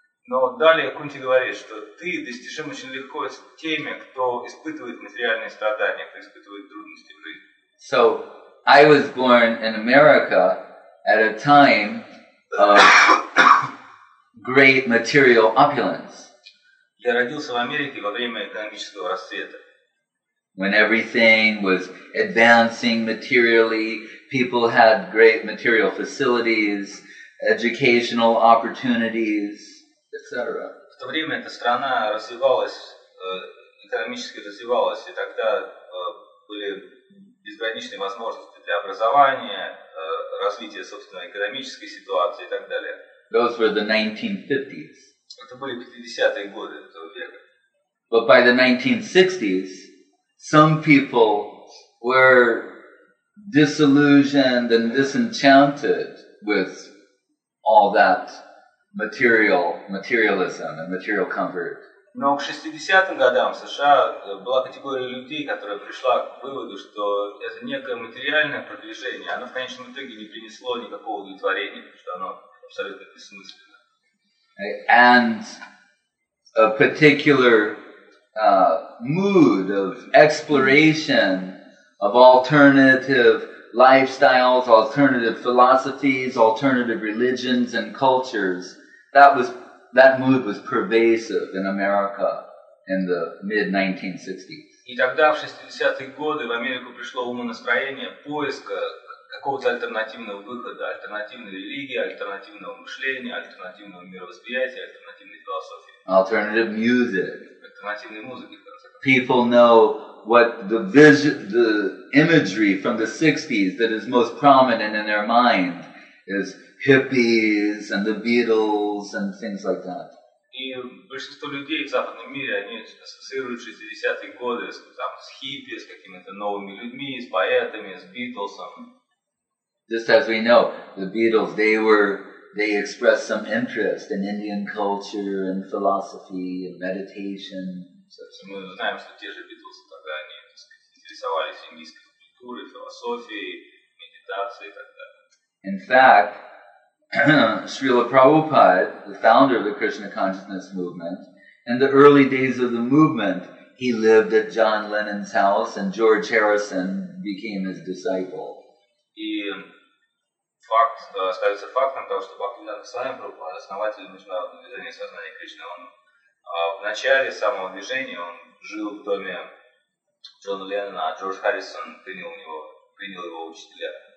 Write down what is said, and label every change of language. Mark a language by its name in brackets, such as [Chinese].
[Russian] Но далее Кунти говорит, что ты достижим очень легко с теми, кто испытывает материальные страдания, кто испытывает трудности в жизни. [English] So, I was born in America at a time of great material opulence. [Russian] Я родился в Америке во время экономического расцвета. [English] When everything was advancing materially, people had great material facilities, educational opportunities. [Russian] В то время эта страна развивалась, экономически развивалась, и тогда были безграничные возможности для образования, развития собственной экономической ситуации и так далее. [English] Those were the 1950s. [Russian] Это были 50-е годы этого века. [English] But by the 1960s, some people were disillusioned and disenchanted with all that materialism and material comfort. [Russian] Но к 60-м годам в США была категория людей, которая пришла к выводу, что это некое материальное продвижение, оно в конечном итоге не принесло никакого удовлетворения, что оно абсолютно бессмысленно. [English] And a particular mood of exploration of alternative lifestyles, alternative philosophies, alternative religions and cultures, that mood was pervasive in America in the mid-1960s. [Russian] И тогда, в 60-е годы, в Америку пришло умонастроение поиска какого-то альтернативного выхода, альтернативной религии, альтернативного мышления, альтернативного мировосприятия, альтернативной философии. [English] Alternative music. [Russian] Альтернативной музыки, в конце концов. [English] People know what the imagery from the 60s that is most prominent in their mind is hippies and the Beatles and things like that. [Russian] И большинство людей в западном мире, они ассоциируют 60-е годы с хиппи, с какими-то новыми людьми, с поэтами, с Битлсом. [English] Just as we know, the Beatles, they expressed some interest in Indian culture and philosophy and meditation. [Russian] Мы знаем, что те же Битлсы тогда, они интересовались индийской культурой, философией, медитацией и так далее. [English] In fact, Srila Prabhupada, the founder of the Krishna Consciousness Movement, in the early days of the movement, he lived at John Lennon's house and George Harrison became his disciple. [Russian] И факт, остается фактом того, что Бхактивинода Свами Прабхупада, основатель Международного движения сознания Кришны, он в начале самого движения, он жил в доме Джона Леннона, а Джордж Харрисон принял его учителя.